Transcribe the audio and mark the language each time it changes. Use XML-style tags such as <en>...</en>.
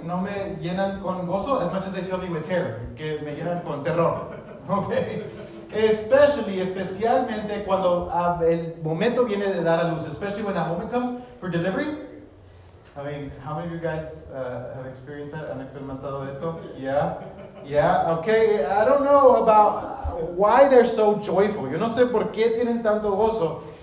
<es>No me llenan con gozo</es> <en>as much as they fill me with terror.</en> <es>Que me llenan con terror. Okay? Especialmente cuando el momento viene de dar a luz.</es> <en>Especially when that moment comes for delivery. I mean, how many of you guys have experienced that?</en> <es>¿Han experimentado eso?</es> <en>Yeah. Yeah, okay. I don't know about why they're so joyful.</en> <es>Yo no sé por qué tienen tanto gozo.</es>